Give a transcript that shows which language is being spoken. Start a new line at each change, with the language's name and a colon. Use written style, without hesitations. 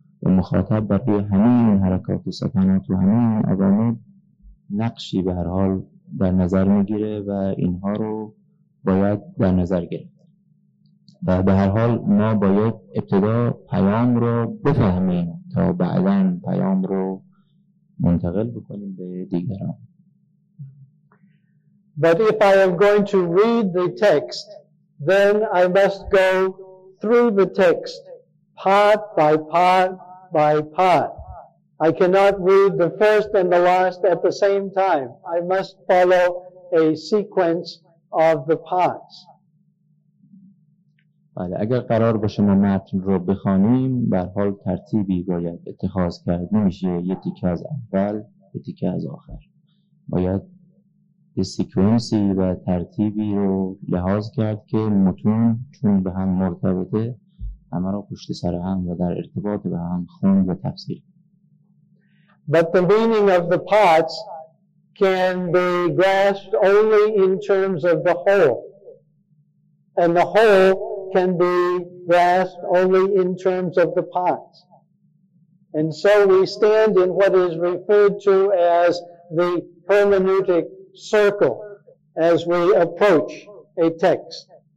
Persian: و مخاطب برای همه این حرکات و سکنات و همه این عوامل نقشی به هر حال در نظر میگیره و اینها رو باید در نظر گرفت. و به هر حال ما باید ابتدا پیام رو بفهمیم تا بعداً پیام رو منتقل بکنیم به دیگران.
English: But if I am going to read the text, then I must go through the text part by part by part. I cannot read the first and the last at the same time. I must follow a sequence of the parts.
Persian: بله، اگر قرار باشه ما متن رو بخوانیم، به هر حال ترتیبی باید اتخاذ کرد. نمیشه یه تیکه از اول، به تیکه از آخر. باید یه سیکونسی و ترتیبی رو لحاظ کرد که متون چون به هم مرتبطه همه رو پشت سر هم و در ارتباط به هم خون و تفسیر.
English: But the meaning of the parts can be grasped only in terms of the whole. And the whole can be grasped only in terms of the parts. And so we stand in what is referred to as the hermeneutic circle as we approach a text.